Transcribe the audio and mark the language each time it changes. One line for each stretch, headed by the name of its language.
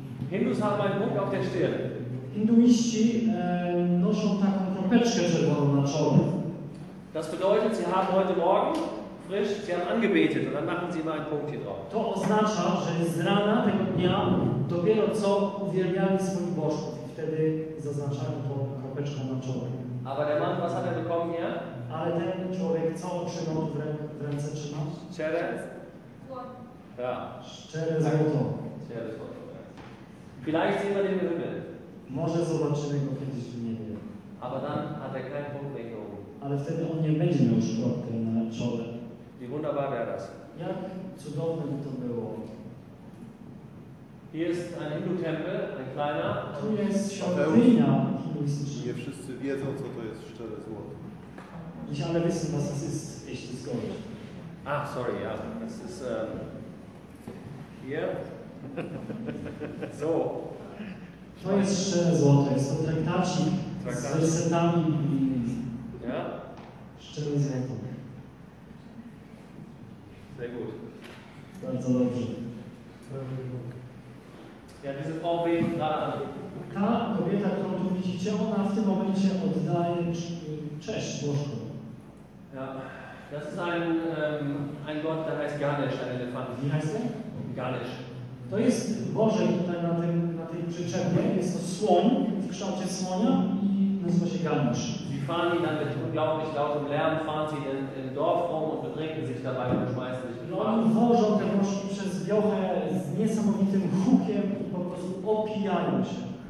German: Hindus haben einen Punkt auf der Stirn.
Polish: Hinduiści noszą taką kropeczkę czerwoną na czole.
German: Das bedeutet, sie haben heute Morgen frisch, sie haben angebetet und dann machen sie mal einen Punkt hier drauf.
Polish: To oznacza, że z rana tego dnia dopiero co uwielbiali swoich bożków i wtedy zaznaczają tą kropeczkę na czole.
German: Aber der Mann, was hat bekommen hier?
Polish: Ale ten człowiek co otrzymał w ręce trzyma? Szczere? Ja. Szczere złoto. Szczere złoto,
German: Vielleicht sehen wir den im Himmel.
Polish: Może zobaczymy go kiedyś w niebie.
German: Aber dann hat keinen Punkt mehr.
Polish: Ale wtedy on nie będzie miał szkodkę na czole.
German: Wie wunderbar wäre das.
Polish: Jak cudowne by to było.
German: Hier ist ein Hindu-Tempel, ein kleiner.
Polish: Tu jest świątynia hinduistyczna. Nie wszyscy wiedzą, co to jest szczere złoto.
German: Ich alle wissen, was das ist, echt das Gold. Ach, sorry, ja. Das ist hier. So.
Polish: To jest szczere złoto, jest to traktacik z resetami.
German: Ja?
Polish: Szczere złoto.
German: Sehr gut.
Polish: Bardzo dobrze.
German: Ja, diese Frau beten gerade an.
Polish: Ta kobieta, którą tu widzicie, ona w tym momencie oddaje cześć Bożką.
German: Ja, das ist ein Gott, der heißt Ganesh, ein Elefant. Wie heißt der? Ganesh.
Polish: To jest Boże tutaj na tej przyczepie. Jest to słoń w kształcie słonia i nazywa się Ganesh.
German: Sie fahren ihn dann mit unglaublich lautem Lärm, fahren sie in den Dorf rum und betrinken sich dabei und schmeißen sich.
Polish: No, oni wożą te Bożki przez wiochę z niesamowitym hukiem i po prostu opijają się.